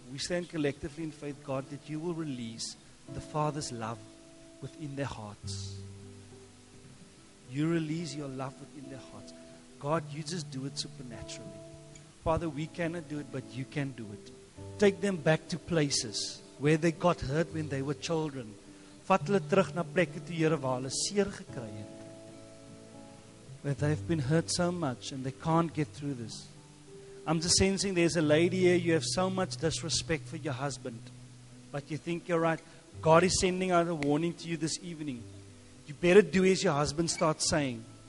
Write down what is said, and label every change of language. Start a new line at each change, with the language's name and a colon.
English: We stand collectively in faith, God, that you will release the Father's love within their hearts. You release your love within their hearts. God, you just do it supernaturally. Father, we cannot do it, but you can do it. Take them back to places where they got hurt when they were children.
Afrikaans: Vat hulle terug na plekke toe, Here, waar hulle seer gekry het.
English: Where they've been hurt so much and they can't get through this. I'm just sensing there's a lady here, you have so much disrespect for your husband, but you think you're right. God is sending out a warning to you this evening. You better do as your husband starts saying.